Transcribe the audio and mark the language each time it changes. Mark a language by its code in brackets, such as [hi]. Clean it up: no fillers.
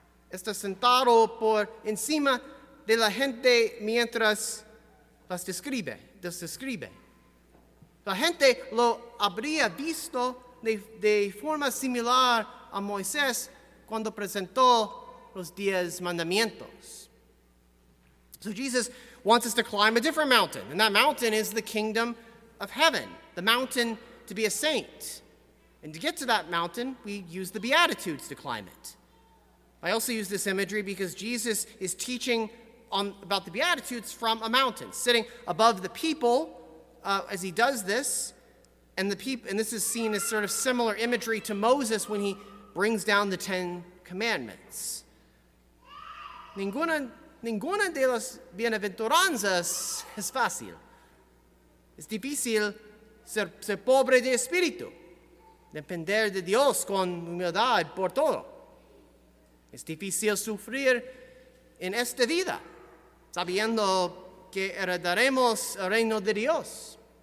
[es] Está sentado por encima de la gente mientras las describe. La gente lo habría visto de forma similar a Moisés cuando presentó los 10 mandamientos. [en] So Jesus wants us to climb a different mountain, and that mountain is the kingdom of heaven, the mountain to be a saint. And to get to that mountain, we use the Beatitudes to climb it. I also use this imagery because Jesus is teaching about the Beatitudes from a mountain, sitting above the people as he does this, and this is seen as sort of similar imagery to Moses when he brings down the 10 commandments. [es] Ninguna de las bienaventuranzas es fácil. Es difícil ser pobre de espíritu. depender de Dios con humildad por todo. Es difícil sufrir en esta vida, sabiendo que heredaremos el reino de Dios.